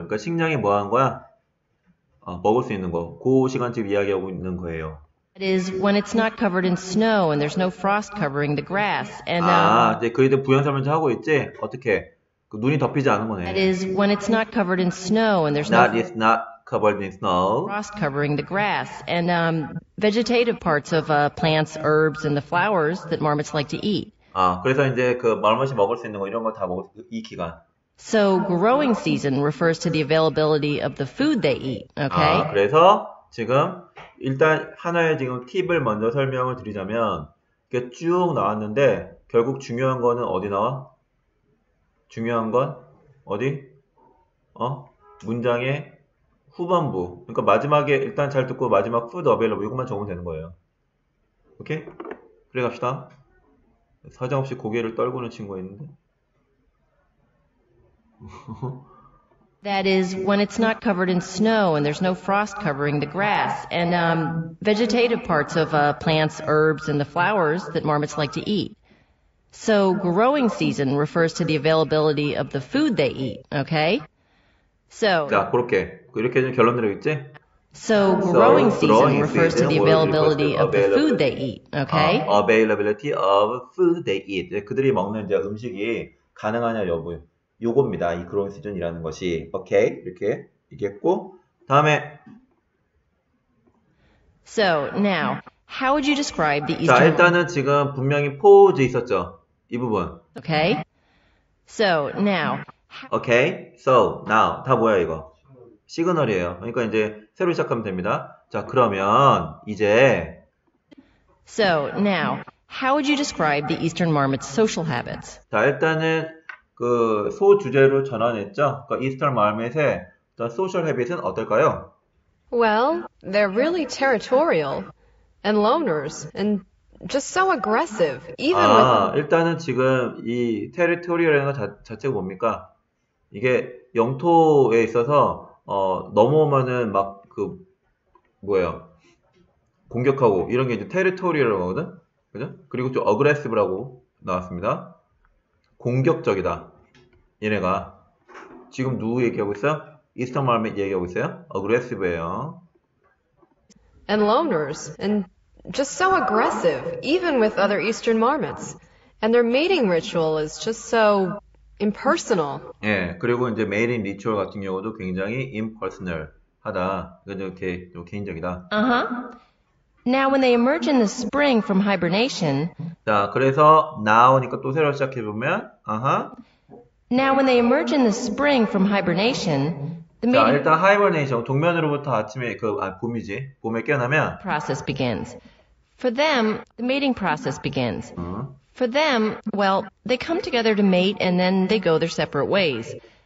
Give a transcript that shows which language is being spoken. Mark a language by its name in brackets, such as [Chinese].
[Korean] 그러니까 식량이 뭐 하는 거야? 먹을 수 있는 거. 그 시간쯤 이야기하고 있는 거예요. [English] It is when it's not covered in snow and there's no frost covering the grass. And [Korean] 아, 이제 그래도 부연 설명도 하고 있지? 어떻게? 그 눈이 덮이지 않은 거네. [English] It is when it's not covered in snow and there's not, no it's not covered in snow. Frost covering the grass and vegetative parts of plants, herbs and the flowers that marmots like to eat. [Korean] 아, 그래서 이제 그 말머시 먹을 수 있는 거 이런 걸 다 먹을 이 기간. [English] So growing season refers to the availability of the food they eat. Okay? [Korean] 아, 그래서 지금 일단 하나의 지금 팁을 먼저 설명을 드리자면 이게 쭉 나왔는데 결국 중요한 거는 어디 나와? 중요한 건 어디? 어? 문장의 후반부. 그러니까 마지막에 일단 잘 듣고 마지막 [English] food available [Korean] 이것만 적으면 되는 거예요. 오케이? 그래 갑시다. 사정없이 고개를 떨구는 친구가 있는데. [English] That is when it's not covered in snow and there's no frost covering the grass and vegetative parts of plants, herbs and the flowers that marmots like to eat. So growing season refers to the availability of the food they eat, okay? So [Korean] 자, 그렇게. 이렇게 좀 결론 내리겠지? [English] So growing season refers to the availability of the food they eat, okay? Availability of food they eat. [Korean] 그들이 먹는 이제 음식이 가능하냐 여부. 요겁니다. 이 growing season이라는 것이. 오케이. 이렇게 얘기했고 다음에 [English] So, now, how would you describe the eastern [Korean] 자, 일단은 지금 분명히 포즈 있었죠. 이 부분. [English] 오케이. So, now. [Korean] 오케이. [English] So, now. [Korean] 다 뭐야, 이거? 시그널이에요. 그러니까 이제 새로 시작하면 됩니다. 자, 그러면 이제 [English] So, now. How would you describe the eastern marmot's social habits? [Korean] 자, 일단은 그 소 주제로 전환했죠. 그러니까 이스턴 말멧의 어떤 소셜 해빗은 어떨까요? [English] Well, they're really territorial and loners and just so aggressive. Even [Korean] 아, 일단은 지금 이 territorial이라는 것 자체가 뭡니까? 이게 영토에 있어서 넘어오면은 막 그 뭐예요? 공격하고 이런 게 이제 territorial이거든. 그죠? 그리고 좀 aggressive라고 나왔습니다. 공격적이다. 얘네가 지금 누구 얘기하고 있어요? 이스턴 말멧 얘기하고 있어요? 어그레시브예요. [English] And loners and just so aggressive even with other eastern marmots. And their mating ritual is just so impersonal. [Korean] 예. 그리고 이제 mating ritual 같은 경우도 굉장히 impersonal 하다. 이렇게 좀 개인적이다. [English] Now when they emerge in the spring from hibernation. [Korean] 자, 그래서 나오니까 또 새로 시작해 보면 [English] Now when they emerge in the spring from hibernation, the [Korean] mating 자, 일단 hibernation 동면으로부터 아침에 그 아, 봄이지. 봄에 깨어나면 [English] process begins. For them, the mating process begins. For them, well, they come together to mate and then they go their separate ways.